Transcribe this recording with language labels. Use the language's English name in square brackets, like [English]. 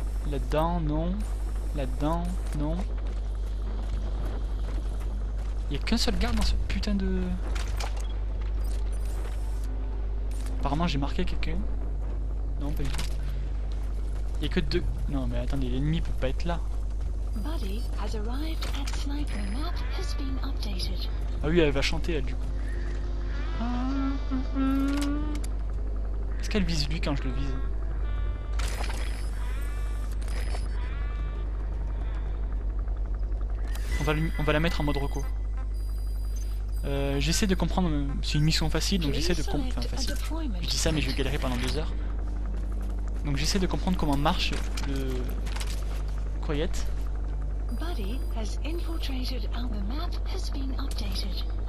[French] Là-dedans, non. Là-dedans, non. Il n'y a qu'un seul garde dans ce putain de... Apparemment j'ai marqué quelqu'un. Non, pas du tout. Il n'y a que deux... Non mais attendez, l'ennemi peut pas être là. [English] Buddy has arrived at sniper map has been updated. [French] Ah oui, elle va chanter elle du coup. Est-ce qu'elle vise lui quand je le vise? On va la mettre en mode reco. J'essaie de comprendre, c'est une mission facile, donc j'essaie de comprendre, enfin facile, je dis ça mais je vais galérer pendant 2 heures. Donc j'essaie de comprendre comment marche le Quiet. [English] Buddy has infiltrated and the map has been updated.